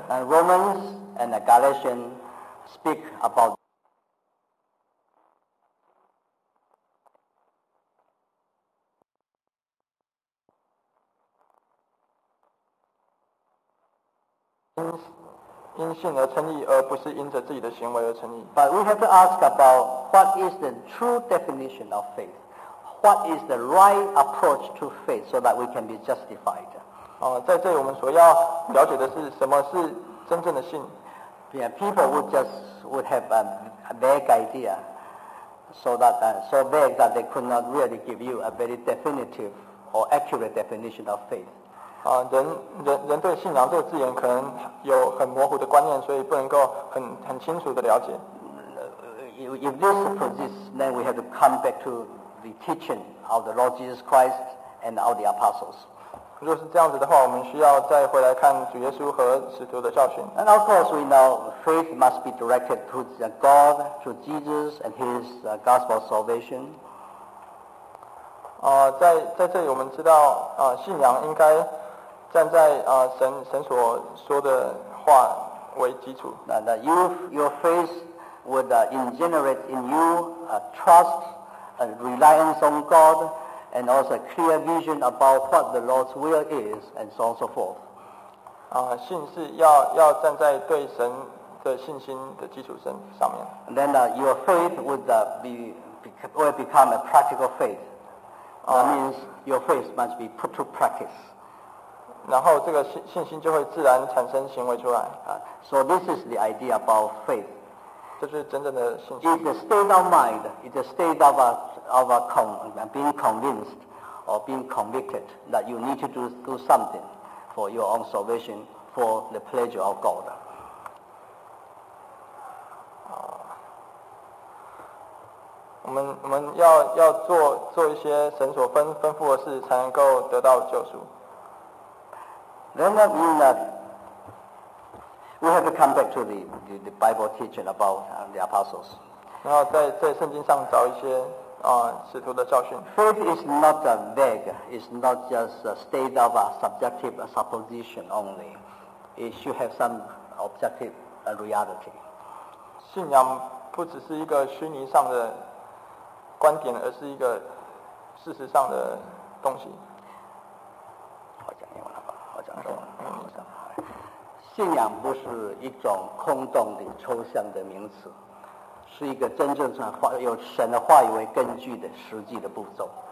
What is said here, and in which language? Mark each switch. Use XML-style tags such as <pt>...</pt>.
<en>And Romans and the Galatians speak about</en> <zh>因信而称义，而不是因着自己的行为而称义。</zh> <en>But we have to ask about what is the true definition of faith. What is the right approach to faith so that we can be justified?</en> <zh>在这里我们所要了解的是什么是真正的信。</zh> <en>Yeah, people would have a vague idea, so vague that they could not really give you a very definitive or accurate definition of faith.</en> <zh>人对信仰这个字眼可能有很模糊的观念，所以不能够很清楚的了解。</zh> <en>If this persists, then we have to come back to. The teaching of the Lord Jesus Christ and of the apostles.</en> <zh>如果是这样子的话，我们需要再回来看主耶稣和使徒的教训。</zh> <en>And of course, we know faith must be directed to God, to Jesus, and His gospel salvation.</en> <zh>在这里我们知道，信仰应该站在神所说的话为基础。</zh> <en>That your faith would generate in you a trust. A reliance on God, and also a clear vision about what the Lord's will is, and so on and so forth.</en> <zh>信是要站在对神的信心的基础上面。</zh> <en>Then your faith will become a practical faith. That means your faith must be put to practice.</en> <zh>然后这个信心就会自然产生行为出来。</zh> <en>So this is the idea about faith.</en> <zh>这是真正的信</zh> <en>心。It's a state of mind. It's a state of being convinced or being convicted that you need to do something for your own salvation for the pleasure of God.</en> <zh>我们要做一些神所吩咐的事，才能够得到救赎。</zh> <en>Then that means that We have to come back to the Bible teaching about the apostles.</en> <zh>然后在圣经上找一些使徒的教训。</zh> <en>Faith is not a vague, it's not just a state of a subjective supposition only. It should have some objective reality.</en> <zh>信仰不只是一个虚拟上的观点，而是一个事实上的东西。好讲英文了吧？好讲中文，好讲。信仰不是一种空洞的抽象的名词，是一个真正上有神的话语为根据的实际的步骤。</zh>